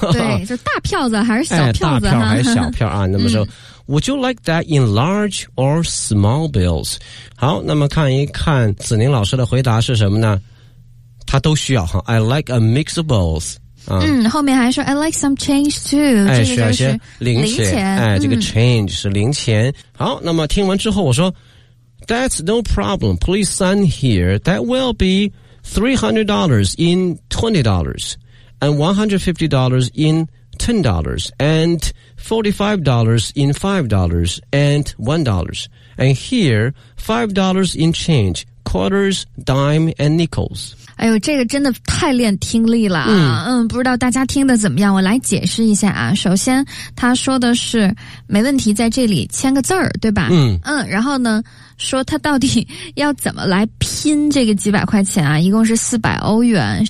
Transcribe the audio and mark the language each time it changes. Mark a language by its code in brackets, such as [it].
[zh] 对，就大票子还是小票子、哎？大票还是小票啊？那么说、嗯、， [en] Would you like that in large or small bills? [zh] 好，那么看一看子宁老师的回答是什么呢？他都需要哈。 [en] I like a mix of both. [zh] 嗯，后面还说 [en] I like some change too、哎、 [zh] 这个就是零钱、哎、这个 change 是零钱、嗯、好，那么听完之后我说 [en] That's no problem, please sign here. That will be $300 in $20 and $150 in $10 and $45 in $5 and $1 and here $5 in changequarters, dime, and nickels. [zh] 哎呦，这个真的太练听力了啊！嗯，不知道大家听得怎么样？我来解释一下啊。首先，他说的是没问题，在这里签个字儿，对吧？嗯嗯。然后呢，说他到底要怎么来拼这个几百块钱啊？一共是400欧元。